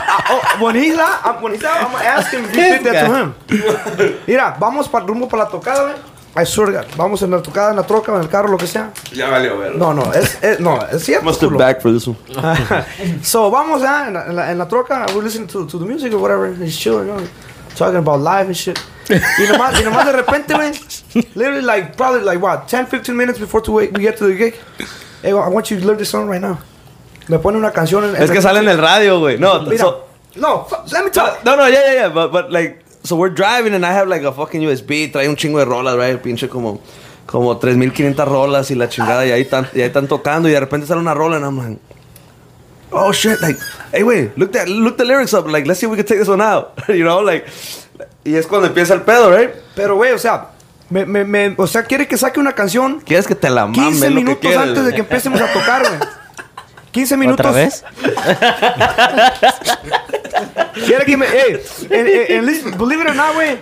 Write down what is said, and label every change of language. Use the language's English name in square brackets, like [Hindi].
[English] Oh, when he's out, I'm going to ask him if you did that to him. [Spanish] Mira, vamos para rumbo para la tocada, güey. [English] I swear, God. [Spanish] Vamos en la tocada, en la troca, en el carro, lo que sea. Ya valió, güey. No, es cierto. [English] Must have back for this one. [Spanish] So, vamos, ya, en la troca. [English] We're listening to the music or whatever. And he's chilling, you know, talking about life and shit. [Spanish] y nomás de repente, [English] man, literally, like, probably, like, what, 10, 15 minutes before we get to the gig, hey, I want you to learn this song right now. [Spanish] Me pone una canción. Es que sale en el radio, güey. No, mira, so, [English] no, let me talk. No, yeah. But, like, so we're driving and I have, like, a fucking USB. [Spanish] Trae un chingo de rolas, right? Pinche como 3,500 rolas y la chingada. Y ahí están tocando y de repente sale una rola [English] and I'm like, oh, shit. Like, hey, wait, look the lyrics up. Like, let's see if we can take this one out. [Spanish] You know, like... Y es cuando empieza el pedo, ¿eh? Pero, güey, o sea, me, quiere que saque una canción. ¿Quieres que te la mame? 15 minutos lo que quieres, antes de que empecemos a tocar, güey. 15 minutos. ¿Otra vez? Quiere que me. [English] Believe it or not, [Spanish] güey.